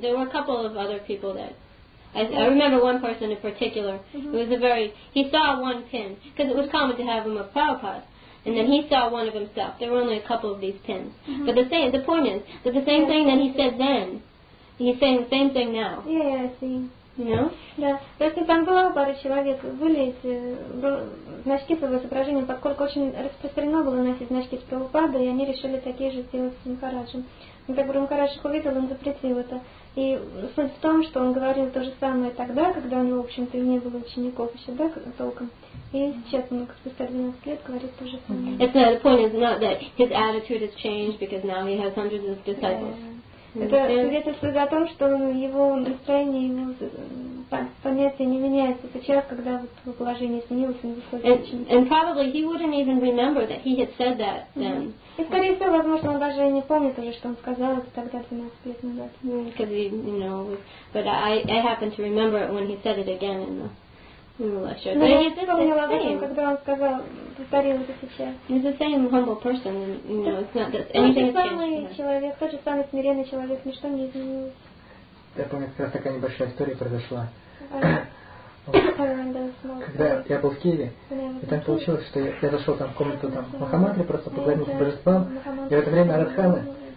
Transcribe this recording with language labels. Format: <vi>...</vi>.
<en>There were a couple of other people that... I remember one person in particular. Mm-hmm. It was a very. He saw one pin because it was common to have them of Prabhupada, and then he saw one of himself. There were only a couple of these pins, mm-hmm. but the same. The point is that the same yeah, thing that he said then, he's saying the same thing now. Yeah, I see.</en> <ru>Да. То есть там была пара человек, были эти значки с изображением, поскольку очень распространено было носить значки с Прабхупады, и они решили такие же сделать с Махараджем. Когда Гуру Махарадж их увидел, он запретил это. И суть в том, что он говорил то же самое тогда, когда у него, в общем-то, и не было учеников еще, да, толком. И сейчас он, как спустя 12 лет, говорит то же самое.</ru> <en>It's not, the point is not that his attitude has changed because now he has hundreds of disciples.</en> <ru>Это свидетельствует о том, что его настроение, его понятие не меняется сейчас, когда вот положение изменилось, он выходит очень.</ru> <en>And probably he wouldn't even remember that he had said that then.</en> <ru>И скорее всего, возможно, он даже не помнит уже, что он сказал это тогда 12 лет назад.</ru> <en>Because he, you know, but I happen to remember it when he said it again in the lecture.</en> <ru>Но я вспомнила об этом, когда он сказал, повторил это сейчас.</ru> <en>He's the same humble person, you know, it's not that anything has changed.</en> <ru>Тот же самый человек, тот же самый смиренный человек, ничто не изменилось. Я помню, как раз такая небольшая история произошла. Когда я был в Киеве, и там получилось, что я зашел там в комнату там Махамантры, просто поговорил с божеством, и в это время Радханы.</ru>